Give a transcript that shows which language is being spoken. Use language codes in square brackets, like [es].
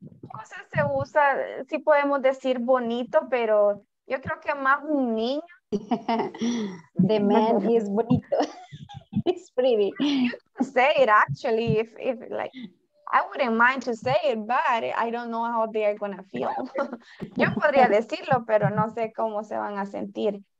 [es] Cosa se usa, sí podemos decir bonito, pero yo creo que más un niño. [en] The man is bonito. It's pretty. You can say it actually if like I wouldn't mind to say it, but I don't know how they are gonna feel. [es] Yo podría decirlo, pero no sé cómo se van a sentir.